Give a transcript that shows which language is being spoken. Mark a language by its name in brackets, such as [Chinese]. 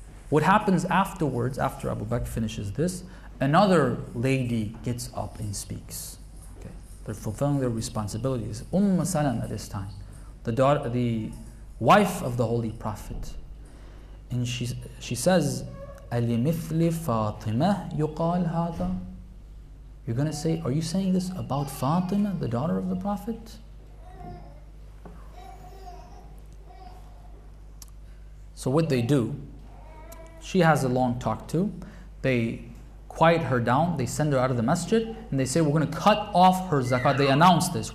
[English] What happens afterwards, after Abu Bakr finishes this, another lady gets up and speaks. Okay. They're fulfilling their responsibilities. Umm Salam at this time, the wife of the Holy Prophet. And she says, [Arabic] أَلِ مِثْلِ فَاطِمَةٍ يُقَالْ هَذَا. [English] You're going to say, are you saying this about Fatima, the daughter of the Prophet? So what they do, she has a long talk too. They quiet her down. They send her out of the masjid. And they say, we're going to cut off her zakat. They announce this.